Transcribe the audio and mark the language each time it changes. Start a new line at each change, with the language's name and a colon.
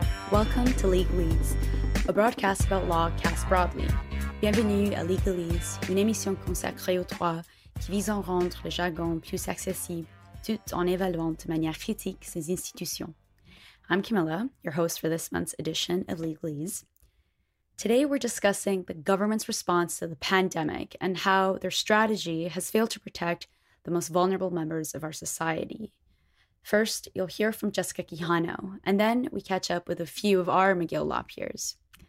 English: Welcome to Legalese, a broadcast about law cast broadly.
French: Bienvenue à Legalese, une émission consacrée aux droits qui vise à rendre le jargon plus accessible tout en évaluant de manière critique ses institutions.
English: I'm Camilla, your host for this month's edition of Legalese. Today we're discussing the government's response to the pandemic and how their strategy has failed to protect the most vulnerable members of our society. First, you'll hear from Jessica Quijano, and then we catch up with a few of our McGill law peers.